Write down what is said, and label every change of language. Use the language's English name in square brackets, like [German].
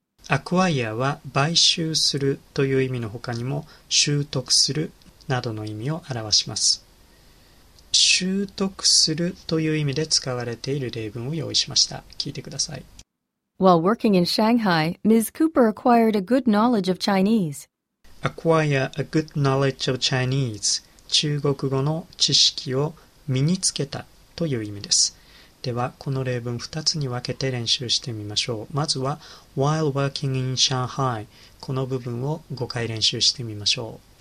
[Japanese] Acquire は買収するという意味の他にも習得するなどの意味を表します。習得するという意味で使われている例文を用意しました。聞いてください。 [English] While working in Shanghai, Ms. Cooper acquired a good knowledge of Chinese. Acquire a good knowledge of Chinese. [Japanese] 中国語の知識を身につけたという意味です。では、この例文2つに分けて練習してみましょう。まずは、 [English] While working in Shanghai. [Japanese] この部分を5回練習してみましょう。